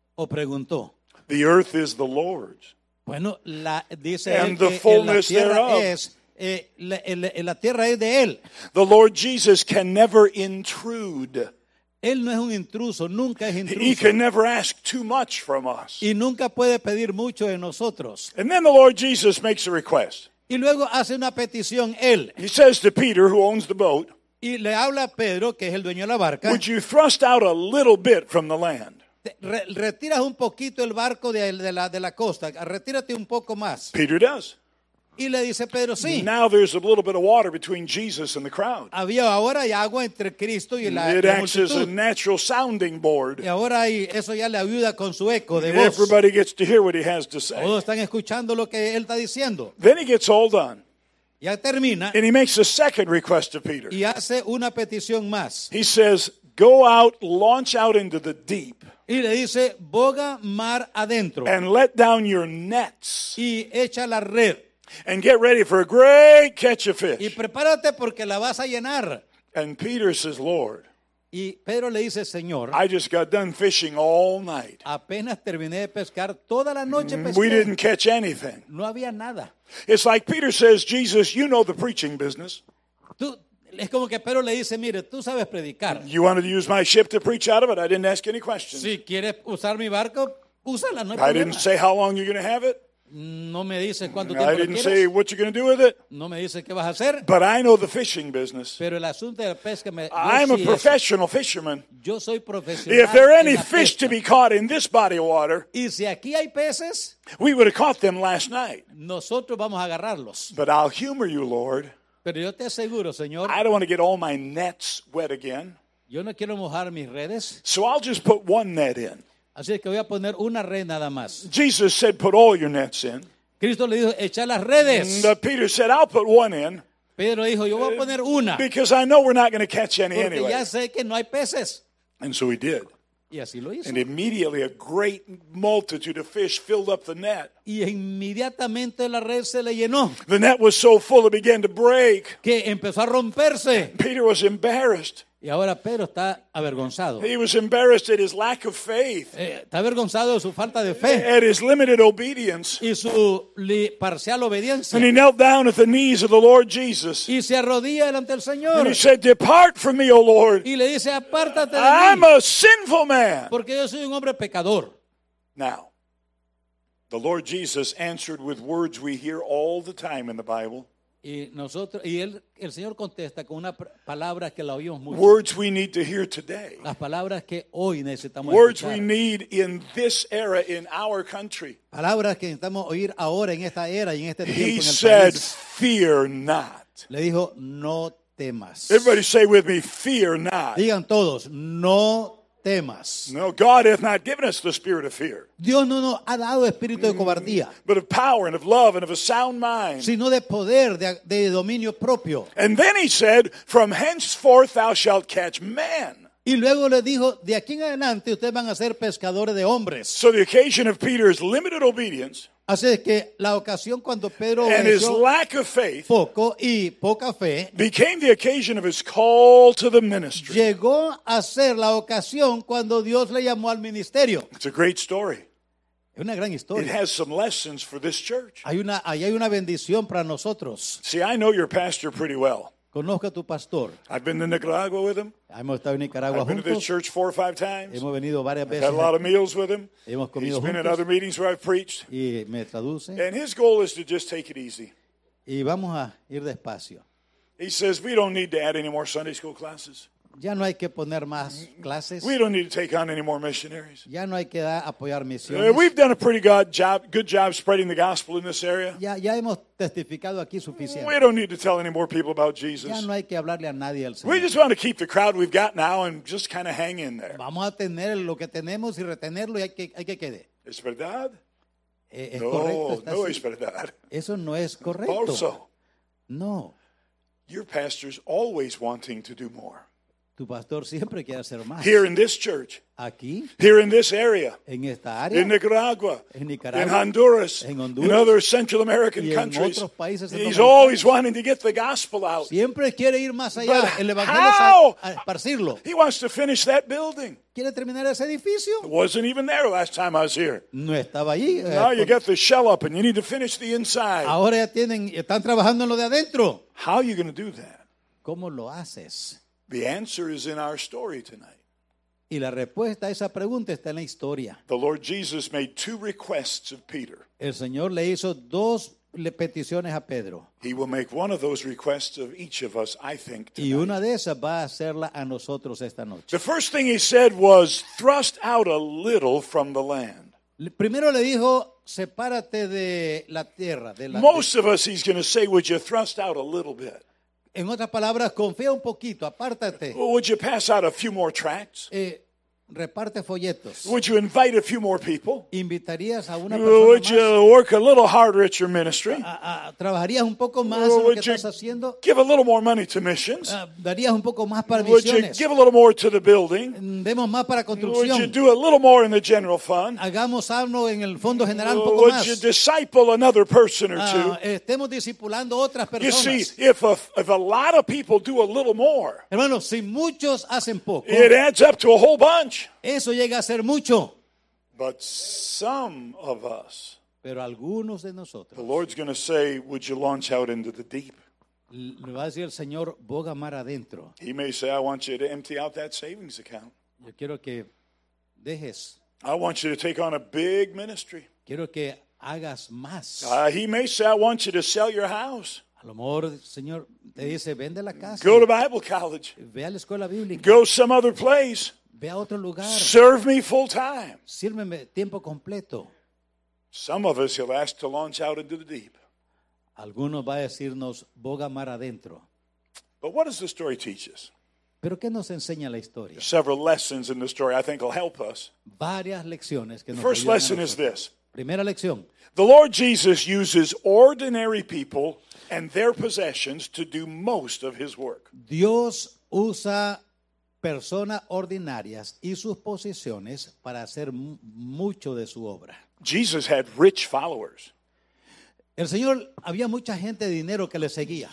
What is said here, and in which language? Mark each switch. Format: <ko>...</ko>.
<es>O preguntó.</es> <en>The earth is the Lord's.</en> <es>Bueno, dice él que la tierra es la tierra es de él.</es> <en>The Lord Jesus can never intrude.</en> <es>Él no es un intruso, nunca es intruso.</es> <en>He can never ask too much from us.</en> <es>Y nunca puede pedir mucho de nosotros.</es> <en>And then the Lord Jesus makes a request.</en> <es>Y luego hace una petición él.</es> <en>He says to Peter, who owns the boat.</en> <es>Y le habla a Pedro, que es el dueño de la barca.</es> <en>Would you thrust out a little bit from the land?</en> <es>Retiras un poquito el barco de la costa. Retírate un poco más.</es> <en>Peter does.</en> <es>Y le dice Pedro, sí.</es> <en>Now there's a little bit of water between Jesus and the crowd.</en> <es>Había ahora hay agua entre Cristo y la multitud.</es> <en>It acts as a natural sounding board.</en> <es>Y ahora eso ya le ayuda con su eco de voz.</es> <en>Everybody gets to hear what he has to say.</en> <es>Todos están escuchando lo que él está diciendo.</es> <en>Then he gets all done.</en> <es>Ya termina.</es> <en>And he makes a second request to Peter.</en> <es>Y hace una petición más.</es> <en>He says, go out, launch out into the deep.</en> <es>Y le dice, boga mar adentro.</es> <en>And let down your nets.</en> <es>Y echa la red.</es> <en>And get ready for a great catch of fish.</en> <es>Y prepárate porque la vas a llenar.</es> <en>And Peter says, Lord.</en> <es>Y Pedro le dice, Señor.</es> <en>I just got done fishing all night.</en> <es>Apenas terminé de pescar toda la noche pesqué.</es> <en>We didn't catch anything.</en> <es>No había nada.</es> <en>It's like Peter says, Jesus, you know the preaching business.</en> <es>Es como que Pedro le dice, mire, tú sabes predicar.</es> <en>You wanted to use my ship to preach out of it. I didn't ask any questions.</en> <es>Si quieres usar mi barco, úsala. No hay</es> <en>I</en> <es>problema.</es> <en>Didn't say how long you're going to have it.</en> <es>No me dice cuánto</es> <en>I</en> <es>tiempo</es> <en>didn't</en> <es>lo quieres.</es> <en>Say what you're going to do with it.</en> <es>No me dice qué vas a hacer.</es> <en>But I know the fishing business.</en> <es>Pero el asunto de la pesca me.</es> <en>I'm a professional fisherman.</en> <es>Yo soy profesional.</es> <en>If there are any fish to be caught in this body of water,</en> <es>y si aquí hay peces,</es> <en>we would have caught them last night.</en> <es>Nosotros vamos a agarrarlos.</es> <en>But I'll humor you, Lord.</en> <es>Pero yo te aseguro, Señor,</es> <en>I don't want to get all my nets wet again.</en> <es>Yo no quiero mojar mis redes.</es> <en>So I'll just put one net in.</en> <es>Así es que voy a poner una red nada más.</es> <en>Jesus said, put all your nets in.</en> <es>Cristo le dijo, echa las redes.</es> <en>And Peter said, I'll put one in.</en> <es>Pedro dijo, yo voy a poner una.</es> <en>Because I know we're not going to catch any</en> <es>Porque</es> <en>anyway.</en> <es>Ya sé que no hay peces.</es> <en>And so he did.</en> <es>Y así lo hizo.</es> <en>And immediately a great multitude of fish filled up the net.</en> <es>Y inmediatamente la red se le llenó.</es> <en>The net was so full it began to break.</en> <es>Que empezó a romperse.</es> <en>Peter was embarrassed.</en> <es>Y ahora Pedro está avergonzado.</es> <en>He was embarrassed at his lack of faith.</en> <es>Está avergonzado de su falta de fe.</es> <en>At his limited obedience.</en> <es>Y su parcial obediencia.</es> <en>And he knelt down at the knees of the Lord Jesus.</en> <es>Y se arrodilla delante del Señor.</es> <en>And he said, "Depart from me, O Lord."</en> <es>Y le dice, "Apártate de mí."</es> <en>I'm a sinful man.</en> <es>Porque yo soy un hombre pecador.</es> <en>Now, the Lord Jesus answered with words we hear all the time in the Bible.</en> <es>Y nosotros, y él, el Señor contesta con una palabra que la oímos mucho.</es> <en>Words we need to hear today.</en> <es>Las palabras que hoy necesitamos</es> <en>words</en> <es>escuchar.</es> <en>Words we need in this era in our country.</en> <es>Palabras que necesitamos oír ahora en esta era y en este tiempo</es> <en>he</en> <es>en el</es> <en>said,</en> <es>país.</es> <en>He said, fear not.</en> <es>Le dijo, no temas.</es> <en>Everybody say with me, fear not.</en> <es>Digan todos, no temas.</es> <en>No, God hath not given us the spirit of fear.</en> <es>Dios no nos ha dado espíritu de cobardía.</es> <en>But of power and of love and of a sound mind.</en> <es>Sino de poder, de dominio propio.</es> <en>And then he said, from henceforth thou shalt catch men.</en> <es>Y luego le dijo, de aquí en adelante ustedes van a ser pescadores de hombres.</es> <en>So the occasion of Peter's limited obedience.</en> <es>Así es que la ocasión cuando Pedro</es> <en>and his lack of faith</en> <es>poco y poca fe</es> <en>became the occasion of his call to the ministry.</en> <es>Llegó a ser la ocasión cuando Dios le llamó al ministerio.</es> <en>It's a great story.</en> <es>Es una gran historia.</es> <en>It has some lessons for this church.</en> <es>Hay una bendición para nosotros.</es> <en>See, I know your pastor pretty well.</en> <es>Conozco a tu pastor.</es> <en>I've been to Nicaragua with him.</en> <es>Hemos estado en Nicaragua juntos.</es> <en>I've been to this church 4 or 5 times.</en> <es>Hemos venido varias veces.</es> <en>I've had a lot of meals with him.</en> <es>Hemos comido juntos.</es> <en>He's been at other meetings where I've preached.</en> <es>Y me traduce.</es> <en>And his goal is to just take it easy.</en> <es>Y vamos a ir despacio.</es> <en>He says we don't need to add any more Sunday school classes.</en> <es>Ya no hay que poner más clases.</es> <en>We don't need to take on any more missionaries.</en> <es>Ya no hay que apoyar misiones.</es> <en>We've done a pretty good job spreading the gospel in this area.</en> <es>Ya hemos testificado aquí suficiente.</es> <en>We don't need to tell any more people about Jesus.</en> <es>Ya no hay que hablarle a nadie al Señor.</es> <en>We just want to keep the crowd we've got now and just kind of hang in there.</en> <es>Vamos a tener lo que tenemos y retenerlo y hay que quede. ¿Es verdad? ¿Es correcto? No, no es verdad. Eso no es correcto.</es> <en>Also,</en> <es>no.</es> <en>Your pastor's always wanting to do more.</en> <es>Tu pastor siempre quiere hacer más.</es> <en>Here in this church.</en> <es>Aquí.</es> <en>Here in this area.</en> <es>En esta área.</es> <en>In Nicaragua.</en> <es>En Nicaragua.</es> <en>In Honduras.</en> <es>En Honduras.</es> <en>In other Central American countries.</en> <es>Y en otros países.</es> <en>He's always wanting to get the gospel out.</en> <es>Siempre quiere ir más allá.</es> <en>But</en> <es>el evangelio</es> <en>how?</en> <es>A esparcirlo.</es> <en>He wants to finish that building.</en> <es>¿Quiere terminar ese edificio?</es> <en>It wasn't even there last time I was here.</en> <es>No estaba allí.</es> <en>Now you get the shell up and you need to finish the inside.</en> <es>Ahora ya tienen, están trabajando en lo de adentro.</es> <en>How are you going to do that?</en> <es>¿Cómo lo haces?</es> <en>The answer is in our story tonight.</en> <es>Y la respuesta a esa pregunta está en la historia.</es> <en>The Lord Jesus made 2 requests of Peter.</en> <es>El Señor le hizo 2 peticiones a Pedro.</es> <en>He will make one of those requests of each of us, I think, tonight.</en> <es>Y una de esas va a hacerla a nosotros esta noche.</es> <en>The first thing he said was, thrust out a little from the land.</en> <es>Primero le dijo, sepárate de la tierra.</es> <en>Most of us, he's going to say, would you thrust out a little bit?</en> <es>En otras palabras, confía un poquito, apártate.</es> <en>Would you pass out a few more tracts?</en> <es>Reparte folletos.</es> <en>Would you invite a few more people?</en> <es>¿Invitarías a una persona más?</es> <en>You work a little harder at your ministry?</en> <es>¿Trabajarías un poco más en lo que estás haciendo?</es> <en>Give a little more money to missions?</en> <es>¿Darías un poco más para</es> <en>would</en> <es>misiones?</es> <en>You give a little more to the building?</en> <es>¿Demos más para construcción?</es> <en>Would you do a little more in the general fund?</en> <es>¿Hagamos algo en el fondo general un poco</es> <en>would</en> <es>más?</es> <en>You disciple another person or two?</en> <es>¿Estemos discipulando otras personas?</es> <en>You see, if a lot of people do a little more,</en> <es>hermano, si muchos hacen poco,</es> <en>it adds up to a whole bunch.</en> <es>Eso llega a ser mucho.</es> <en>But some of us,</en> <es>pero algunos de nosotros,</es> <en>the Lord's going to say, would you launch out into the deep?</en> <es>Le va a decir el Señor, boga mar adentro.</es> <en>He may say, I want you to empty out that savings account.</en> <es>Yo quiero que dejes.</es> <en>I want you to take on a big ministry.</en> <es>Quiero que hagas más.</es> <en>He may say, I want you to sell your house.</en> <es>A lo mejor, Señor, te dice, vende la casa.</es> <en>Go to Bible college.</en> <es>Ve a la escuela bíblica.</es> <en>Go some other place.</en> <es>Ve a otro lugar.</es> <en>Serve me full time.</en> <es>Sírveme tiempo completo.</es> <en>Some of us he'll ask to launch out into the deep.</en> <es>Algunos va a decirnos, boga mar adentro.</es> <en>But what does the story teach us?</en> <es>¿Pero qué nos enseña la historia?</es> <en>Several lessons in the story I think will help us.</en> <es>Varias lecciones que nos</es> <en>first lesson is this.</en> <es>Primera lección.</es> <en>The Lord Jesus uses ordinary people and their possessions to do most of his work.</en> <es>Dios usa personas ordinarias y sus posiciones para hacer mucho de su obra.</es> <en>Jesus had rich followers.</en> <es>El Señor había mucha gente de dinero que le seguía.</es>